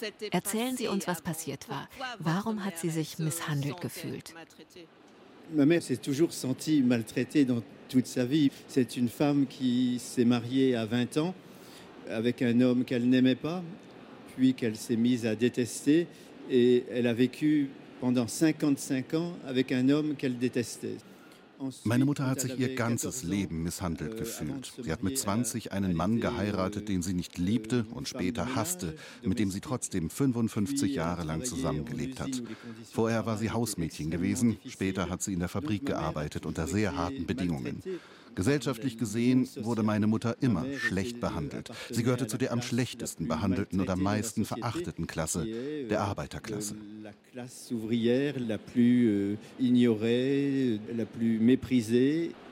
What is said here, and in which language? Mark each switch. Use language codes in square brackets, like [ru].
[de] Erzählen Sie uns, was passiert war. Warum hat sie sich misshandelt gefühlt? [fr] Ma mère s'est toujours sentie maltraitée dans toute sa vie. C'est une femme qui s'est mariée à 20 ans. Avec un homme qu'elle n'aimait pas, puis qu'elle s'est mise à détester, et elle a vécu pendant 55 ans avec un homme qu'elle détestait. [de] Meine Mutter hat sich ihr ganzes Leben misshandelt gefühlt. Sie hat mit 20 einen Mann geheiratet, den sie nicht liebte und später hasste, mit dem sie trotzdem 55 Jahre lang zusammengelebt hat. Vorher war sie Hausmädchen gewesen, später hat sie in der Fabrik gearbeitet unter sehr harten Bedingungen. Gesellschaftlich gesehen wurde meine Mutter immer schlecht behandelt. Sie gehörte zu der am schlechtesten behandelten oder meisten verachteten Klasse, der Arbeiterklasse. [fr] La classe ouvrière la plus ignorée, la plus méprisée.